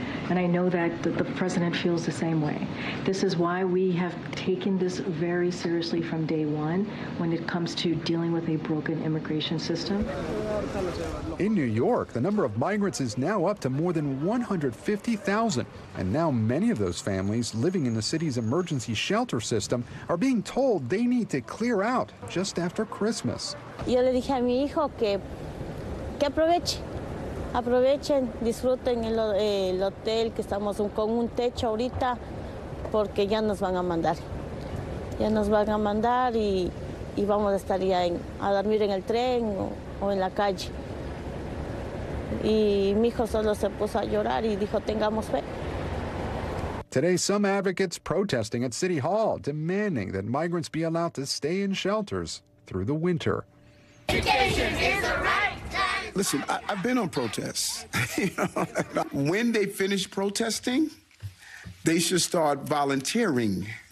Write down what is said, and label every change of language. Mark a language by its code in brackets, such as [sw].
[en] And I know that the president feels the same way. This is why we have taken this very seriously from day one when it comes to dealing with a broken immigration system. In New York, the number of migrants is now up to more than 150,000. And now many of those families living in the city's emergency shelter system are being told they need to clear out just after Christmas. [es] Yo le dije a mi hijo que aproveche. Aprovechen, disfruten el hotel que estamos con un techo ahorita, porque ya nos van a mandar. Ya nos van a mandar y vamos a estar ya a dormir en el tren o en la calle. Y mi hijo solo se puso a llorar y dijo, tengamos fe. [en] Today, some advocates protesting at City Hall, demanding that migrants be allowed to stay in shelters through the winter. Education is a right. Listen, I've been on protests. When they finish protesting, they should start volunteering